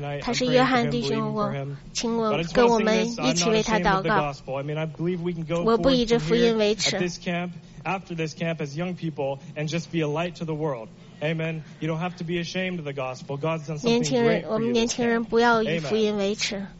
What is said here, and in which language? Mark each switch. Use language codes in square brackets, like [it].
[zh] 他是约翰弟兄，我请我跟我们一起为他祷告。我不以这福音为耻。 [en] After this camp, as young people, and just be a light to the world. Amen. You don't have to be ashamed of the gospel. God's done something great for you. [zh] 我们年轻人不要以福音为耻。